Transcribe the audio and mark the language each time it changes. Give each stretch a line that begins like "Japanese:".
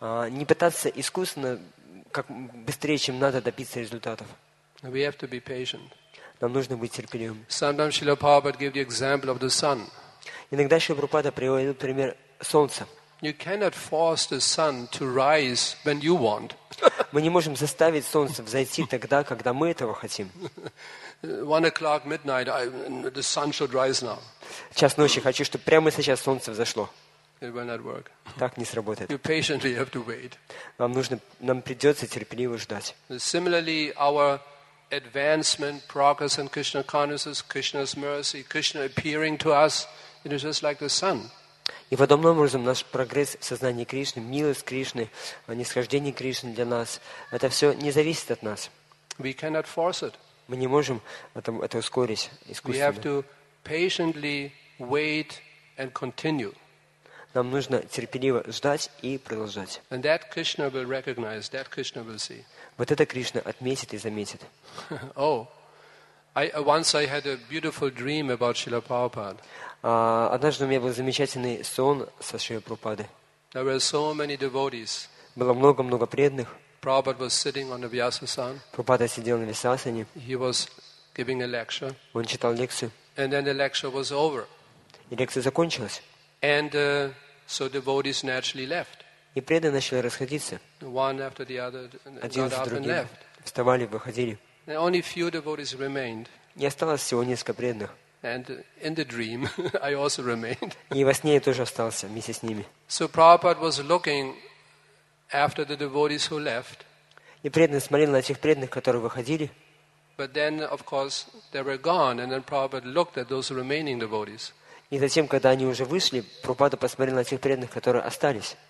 Russian: Не пытаться искусственно, как быстрее, чем надо, добиться результатов.
English: We have to be patient.
Russian: Нам нужно быть терпеливым.
English: Sometimes Srila Prabhupada gave the example of the sun.
Russian: Иногда Шрила Прабхупада приводит пример солнца.
English: You cannot force the sun to rise when you want.
Russian: Мы не можем заставить солнце взойти тогда, когда мы этого хотим.
English: 1 o'clock midnight, the sun should rise now.
Russian: Час ночи, хочу, чтобы прямо сейчас солнце взошло.
English: It will not work.
Russian: Так не сработает.
English: You patiently have to wait.
Russian: Нам придется терпеливо ждать.
English: Similarly, our advancement, progress in Krishna consciousness, Krishna's mercy, Krishna appearing to us, it is just like the sun.
Russian: И подобным образом наш прогресс в сознании Кришны, милость Кришны, нисхождение Кришны для нас, это все не зависит от нас.
English: We cannot force it.
Russian: Мы не можем это ускорить искусственно.
English: We have to patiently wait and continue.
Russian: Нам нужно терпеливо ждать и продолжать.
English: And that Krishna will recognize, that Krishna will see.
Russian: Вот это Кришна отметит и заметит.
English: Oh, I had a beautiful dream about Srila Prabhupada.
Russian: Однажды у меня был замечательный сон со Шрилой Прабхупадой.
English: There were so many devotees.
Russian: Было много-много преданных.
English: Prabhupada was sitting on the Vyasasana.
Russian: Прабхупада сидел на Вьясасане.
English: He was giving a lecture.
Russian: Он читал лекцию.
English: And then the lecture was over.
Russian: И лекция закончилась.
English: And so devotees naturally left.
Russian: И преданные начали расходиться.
English: One after the other,
Russian: один за другим. Вставали, выходили.
English: And only few devotees remained.
Russian: И осталось всего несколько преданных.
English: And in the dream, I also remained.
Russian: И во сне я тоже остался вместе с ними.
English: So Prabhupada was looking after the devotees who left.
Russian: И преданный смотрел на тех преданных, которые выходили.
English: But then, of course, they were gone, and then Prabhupada looked at those remaining devotees.
Russian: И затем, когда они уже вышли, Прабхупада посмотрел на тех преданных, которые остались.